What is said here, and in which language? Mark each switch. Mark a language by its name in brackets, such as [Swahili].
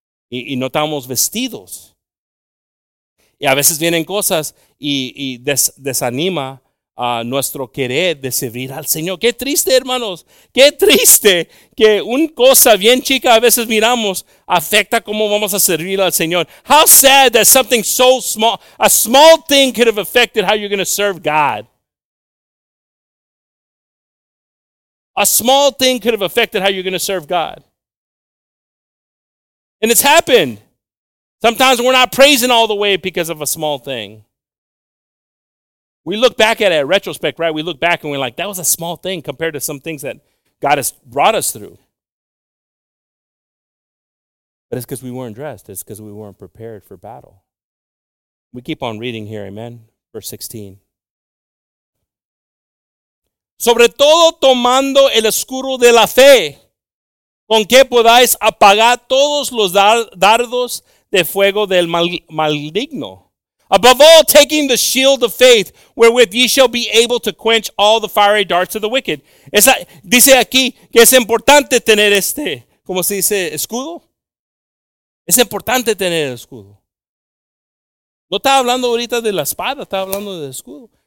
[Spanish] Y no estamos vestidos. Y a veces vienen cosas y desanima a nuestro querer de servir al Señor. Qué triste, hermanos. Qué triste que una cosa bien chica a veces miramos afecta cómo vamos a servir al Señor. [English] How sad that something so small, a small thing could have affected how you're going to serve God. A small thing could have affected how you're going to serve God. And it's happened. Sometimes we're not praising all the way because of a small thing. We look back at it in retrospect, right? We look back and we're like, that was a small thing compared to some things that God has brought us through. But it's because we weren't dressed. It's because we weren't prepared for battle. We keep on reading here, amen? Verse 16. [Spanish] Sobre todo tomando el escudo de la fe, con que podáis apagar todos los dardos de fuego del maligno. [English] Above all, taking the shield of faith, wherewith ye shall be able to quench all the fiery darts of the wicked. [Spanish] Esa, dice aquí que es importante tener este, ¿cómo se dice? ¿Escudo? Es importante tener el escudo. No está hablando ahorita de la espada, está hablando del escudo.